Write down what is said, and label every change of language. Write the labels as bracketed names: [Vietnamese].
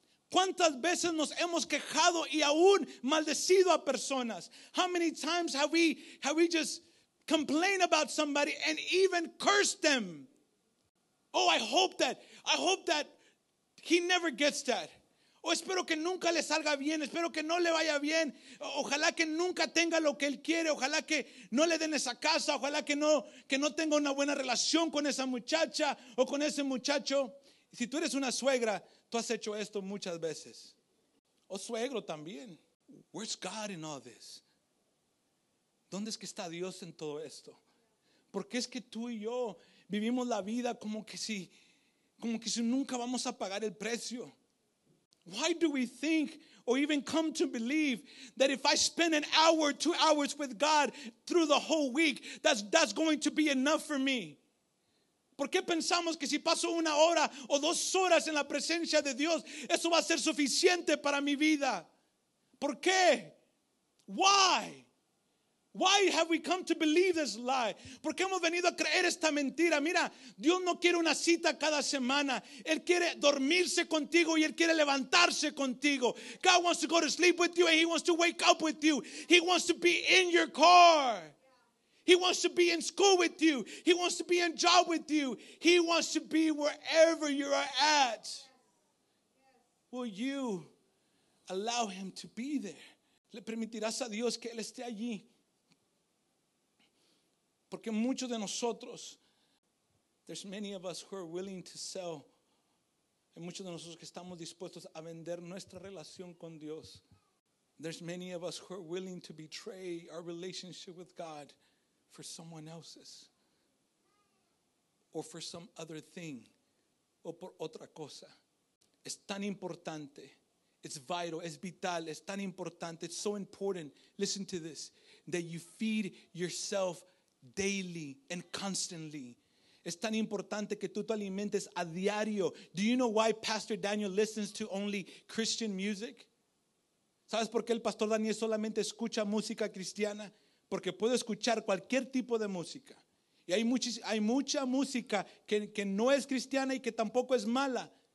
[Spanish] ¿Cuántas veces nos hemos quejado y aún maldecido a personas? [English] How many times have we just complained about somebody and even cursed them? Oh, I hope that he never gets that. [Spanish] O espero que nunca le salga bien, espero que no le vaya bien. Ojalá que nunca tenga lo que él quiere, ojalá que no le den esa casa, ojalá que no tenga una buena relación con esa muchacha o con ese muchacho. Si tú eres una suegra, tú has hecho esto muchas veces. O suegro también. [English] Where's God in all this? [Spanish] ¿Dónde es que está Dios en todo esto? Porque es que tú y yo vivimos la vida como que si nunca vamos a pagar el precio. [English] Why do we think or even come to believe that if I spend an hour, 2 hours with God through the whole week, that's going to be enough for me? [Spanish] ¿Por qué pensamos que si paso una hora o dos horas en la presencia de Dios, eso va a ser suficiente para mi vida? ¿Por qué? [English] Why? Why have we come to believe this lie? [Spanish] ¿Por qué hemos venido a creer esta mentira? Mira, Dios no quiere una cita cada semana. Él quiere dormirse contigo y Él quiere levantarse contigo. [English] God wants to go to sleep with you and He wants to wake up with you. He wants to be in your car. He wants to be in school with you. He wants to be in job with you. He wants to be wherever you are at. Will you allow Him to be there? [Spanish] ¿Le permitirás a Dios que Él esté allí? Porque muchos de nosotros, [English] there's many of us who are willing to sell, [Spanish] hay muchos de nosotros que estamos dispuestos a vender nuestra relación con Dios. [English] There's many of us who are willing to betray our relationship with God for someone else's or for some other thing [Spanish] o por otra cosa. Es tan importante, [English] it's vital, [Spanish] es vital, es tan importante, [English] it's so important, listen to this, that you feed yourself daily and constantly. [Spanish] Es tan importante que tú te alimentes a diario. [English] Do you know why Pastor Daniel listens to only Christian music? [Spanish] ¿Sabes por qué el Pastor Daniel solamente escucha música cristiana? Porque puede escuchar cualquier tipo de música. Y hay mucha música que no es cristiana y que tampoco es mala.